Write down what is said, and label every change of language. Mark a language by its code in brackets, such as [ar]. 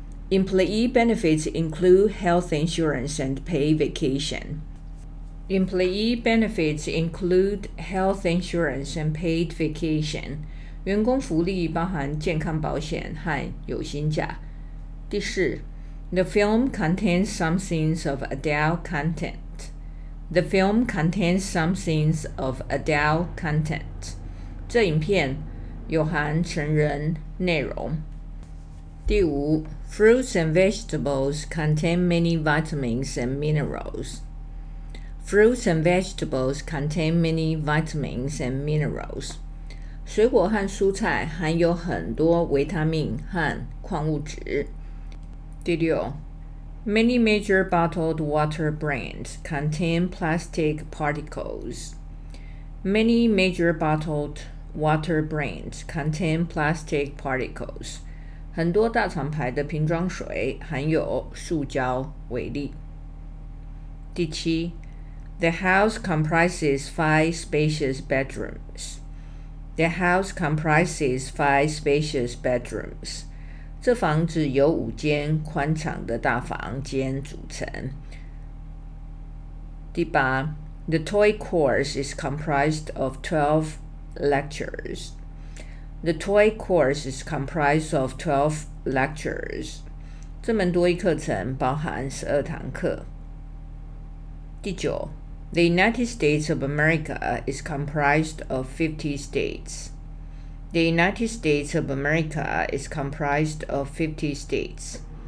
[en] Employee benefits include health insurance and paid vacation. Employee benefits include health insurance and paid vacation. [zh] 员工福利包含健康保险和有薪假。第四 [en] ，The film contains some scenes of adult content. The film contains some scenes of adult content. [zh] 这影片有含成人内容。第五 [en] ,fruits and vegetables contain many vitamins and minerals. Fruits and vegetables contain many vitamins and minerals. [zh] 水果和蔬菜含有很多维他命和矿物质。第六 [en] ,many major bottled water brands contain plastic particles. Many major bottled water brands contain plastic particles. [zh] 很多大厂牌的瓶装水含有塑胶微粒。第七 [en] ，The house comprises 5 spacious bedrooms. The house comprises 5 spacious bedrooms. [zh] 这房子由五间宽敞的大房间组成。第八 [en] ，The toy course is comprised of 12 lectures. The toy course is comprised of 12 lectures. [zh] 这门多益课程包含12堂课。第九 [en] The United States of America is comprised of 50 states. The United States of America is comprised of 50 states.